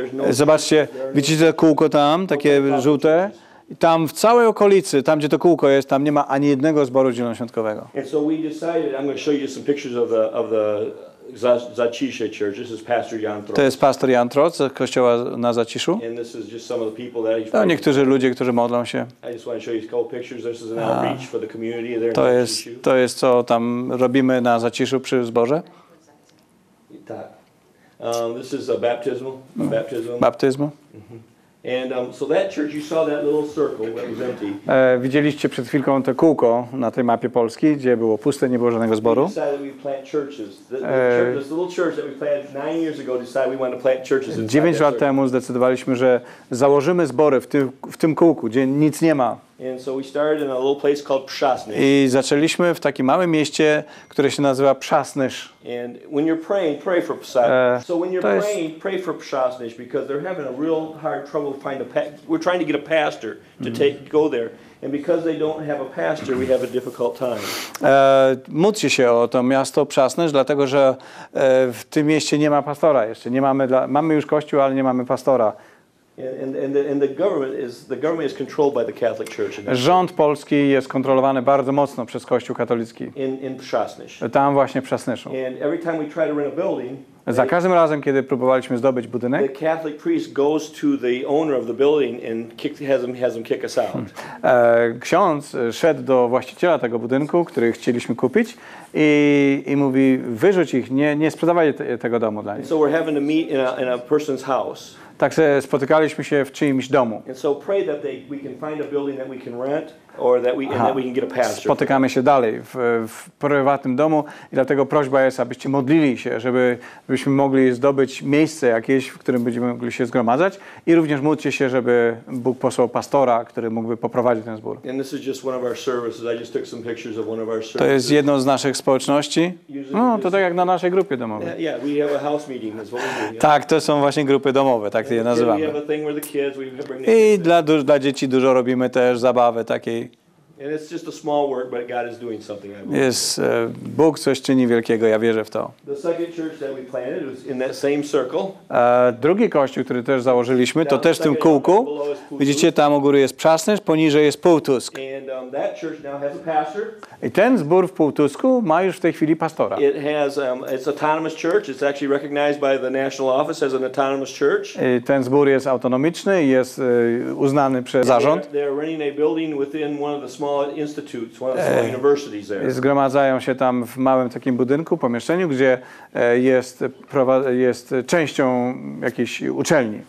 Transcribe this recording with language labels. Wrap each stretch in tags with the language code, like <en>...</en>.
<pl>Zobaczcie, widzicie to kółko tam, takie żółte? I tam w całej okolicy, tam gdzie to kółko jest, tam nie ma ani jednego zboru zielonoświątkowego.</pl> <en>And so we decided, I'm going to show you some pictures of the Zacisze Church. This is Pastor Jan Trotz.</en> <pl>To jest pastor Jan Trotz z kościoła na Zaciszu.</pl> <en>And this is just some of the people that he's.</en> <pl>No, niektórzy ludzie, którzy modlą się.</pl> <en>I just want to show you a couple pictures. This is an outreach for the community there.</en> <pl>To jest co tam robimy na Zaciszu przy zborze.</pl> <en>Tak. This is a baptismal. Baptismal. And so that church, you saw that little circle that was empty.</en> <pl>Widzieliście przed chwilką to kółko na tej mapie Polski, gdzie było puste, nie było żadnego zboru.</pl> <en>We decided we plant churches. This little church that we planted 9 years ago decided we want to plant churches.</en> <pl>9 lat temu zdecydowaliśmy, że założymy zbory w tym kółku, gdzie nic nie ma.</pl> <en>And so we started in a little place called Przasny.</en> <pl>I zaczęliśmy w takim małym mieście, które się nazywa Przasnysz.</pl> <en>And when you're praying, pray for Przasny. So when you're praying, pray for Przasnysz, because they're having a real hard trouble we're trying to get a pastor to take go there. And because they don't have a pastor, we have a difficult time.</en> <pl>Módlcie się o to miasto Przasnysz, dlatego że w tym mieście nie ma pastora jeszcze. Mamy już kościół, ale nie mamy pastora.</pl> <en>And the government is controlled by the Catholic Church.</en> <pl>Rząd polski jest kontrolowany bardzo mocno przez Kościół katolicki.</pl> <en>In Przasnysz.</en> <pl>Tam właśnie w Przasnyszu.</pl> <en>And every time we try to rent a building.</en> <pl>Za każdym razem, kiedy próbowaliśmy zdobyć budynek,</pl> <en>the Catholic priest goes to the owner of the building and has him kick us out.</en> <pl>Ksiądz szedł do właściciela tego budynku, który chcieliśmy kupić, i mówi: wyrzuć ich, nie sprzedawaj tego domu dla nich.</pl> <en>So we're having to meet in a person's house.</en> <pl>Tak se spotykaliśmy się w czyimś domu.</pl> <en>And so pray that we can find a building that we can rent. Or that we can get a pastor.</en> <pl>Spotykamy się dalej w prywatnym domu i dlatego prośba jest, abyście modlili się, żebyśmy mogli zdobyć miejsce jakieś, w którym będziemy mogli się zgromadzać, i również módlcie się, żeby Bóg posłał pastora, który mógłby poprowadzić ten zbór.</pl> <en>And this is just one of our services. I just took some pictures of one of our services.</en> <pl>To jest jedno z naszych społeczności. No, to tak jak na naszej grupie domowej.</pl> <en>Yeah, we have a house meeting. That's what we do.</en> <pl>Tak, to są właśnie grupy domowe, tak je nazywamy. I dla dzieci dużo robimy też zabawy takie.</pl> <en>And it's just a small work, but God is doing something.</en> <pl>Jest Bóg coś czyni wielkiego. Ja wierzę w to.</pl> <en>The second church that we planted was in that same circle.</en> <pl>Drugi kościół, który też założyliśmy, to też w tym kółku. Widzicie, tam u góry jest Przasnysz, poniżej jest Pułtusk.</pl> <en>And that church now has a pastor.</en> <pl>I ten zbór w Pułtusku ma już w tej chwili pastora.</pl> <en>It has it's autonomous church. It's actually recognized by the national office as an autonomous church.</en> <pl>I ten zbór jest autonomiczny, jest uznany przez zarząd.</pl> <en>They're renting a building within one of the small institutes, one of the small universities there.</en> <pl>Zgromadzają się tam w małym takim budynku, pomieszczeniu, gdzie jest częścią jakiejś uczelni.</pl>